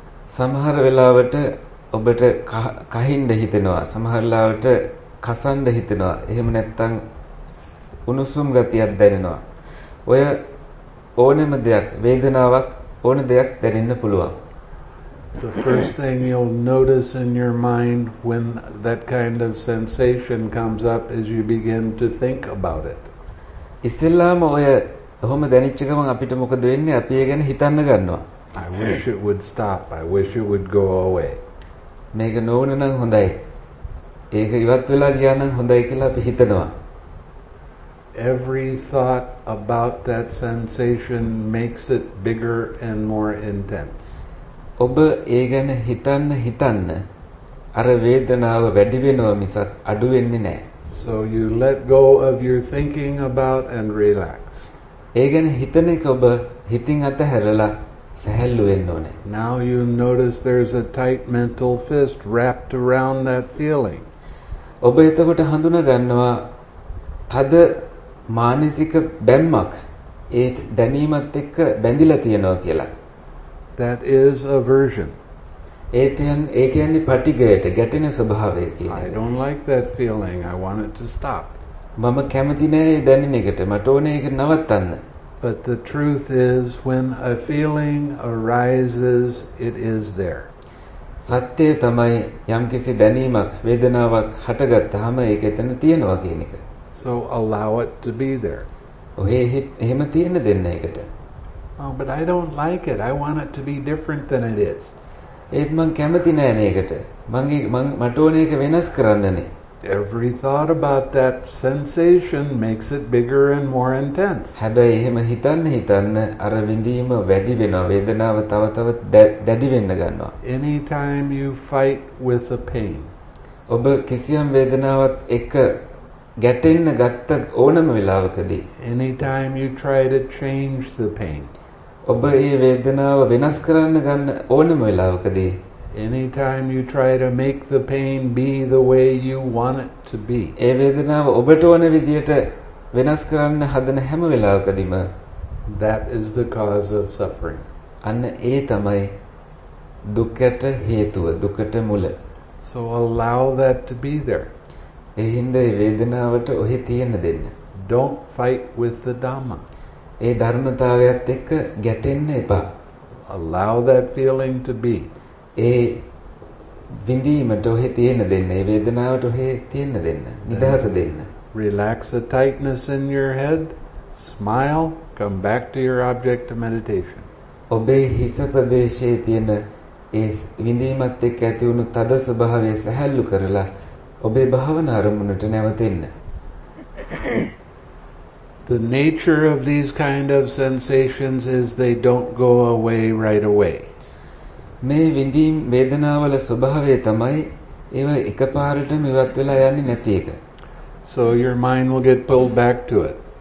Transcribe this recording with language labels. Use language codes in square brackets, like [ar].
[si] සමහර වෙලාවට ඔබට කහින්න හිතෙනවා සමහර වෙලාවට කසන්න හිතෙනවා එහෙම නැත්නම් උණුසුම් ගතියක් දැනෙනවා ඔය ඕනෑම දෙයක් වේදනාවක් ඕන දෙයක් දැනෙන්න පුළුවන් [en] The first thing you'll notice in your mind when that kind of sensation comes up is you begin to think about it [si] ඉස්සෙල්ලාම ඔය ඔහොම දැනෙච්ච ගමන් අපිට මොකද වෙන්නේ අපි ඒ ගැන හිතන්න ගන්නවා [en] I wish it would stop I wish it would go away [si] මේක නොවන නම් හොඳයි. ඒක ඉවත් වෙලා ගියා නම් හොඳයි කියලා අපි හිතනවා. [en] Every thought about that sensation makes it bigger and more intense. [si] ඔබ ඒ ගැන හිතන්න හිතන්න අර වේදනාව වැඩි වෙනවා මිසක් අඩු වෙන්නේ නැහැ. [en] So you let go of your thinking about and relax. [si] ඒ ගැන හිතන එක ඔබ හිතින් අතහැරලා සැහැල්ලු වෙන්න ඕනේ. [en] Now you notice there's a tight mental fist wrapped around that feeling. [si] ඔබ එතකොට හඳුනා ගන්නවා තද මානසික බැම්මක් ඒ දැනීමත් එක්ක බැඳිලා තියෙනවා කියලා. [en] That is aversion. [si] ඒ කියන්නේ පටිඝයට ගැටෙන ස්වභාවය කියන [en] එක. I don't like that feeling. I want it to stop. [si] මම කැමති නෑ ඒ දැනෙන එකට. මට ඕනේ ඒක නවත්තන්න. [en] But the truth is when a feeling arises it is there. [si] සත්‍ය තමයි යම්කිසි දැනීමක් වේදනාවක් හටගත්තාම ඒක එතන තියෙනවා කියන එක. [en] So allow it to be there. [si] ඔහෙ එහෙම තියෙන දෙන්න එකට. [en] Oh but I don't like it. I want it to be different than it is. [si] ඒත් මං කැමති නෑ මේකට. මං මට ඕනේ ඒක වෙනස් කරන්නනේ. [en] Every thought about that sensation makes it bigger and more intense. [si] හැබැයි එහෙම හිතන්න හිතන්න අර විඳීම වැඩි වෙනවා වේදනාව තව තවත් දැඩි වෙන්න ගන්නවා. [en] Anytime you fight with a pain. [si] ඔබ කිසියම් වේදනාවක් එක්ක ගැටෙන්න ගත්ත ඕනම වෙලාවකදී. [en] Anytime you try to change the pain. [si] ඔබ ඒ වේදනාව වෙනස් කරන්න ගන්න ඕනම වෙලාවකදී. [en] Anytime you try to make the pain be the way you want it to be. [si] ඒ වේදනාව ඔබට ඕන විදියට වෙනස් කරන්න හදන හැම වෙලාවකදීම [en] that is the cause of suffering. [si] අන්න ඒ තමයි දුකට හේතුව, දුකට මුල. [en] So allow that to be there. [si] එහින්ද ඒ වේදනාවට ඔහි තියෙන දෙන්න. [en] Don't fight with the dhamma. [si] ඒ ධර්මතාවයත් එක්ක ගැටෙන්න එපා. [en] Allow that feeling to be. [si] ඒ විඳීමට ඔහෙ තියෙන දෙන්න ඒ වේදනාවට ඔහෙ තියෙන දෙන්න නිදහස දෙන්න [en] relax the tightness in your head smile come back to your object of meditation [si] ඔබේ හිස ප්‍රදේශයේ තියෙන ඒ විඳීමත් එක්ක ඇති වුණු තද ස්වභාවය සැහැල්ලු කරලා ඔබේ භාවනා අරමුණට නැවතෙන්න [en] the nature of these kind of sensations is they don't go away right away [si] මේ විඳින් වේදනාවල ස්වභාවය තමයි ඒව එකපාරටම ඉවත් වෙලා යන්නේ නැති එක. [en] So your mind will get pulled back to it.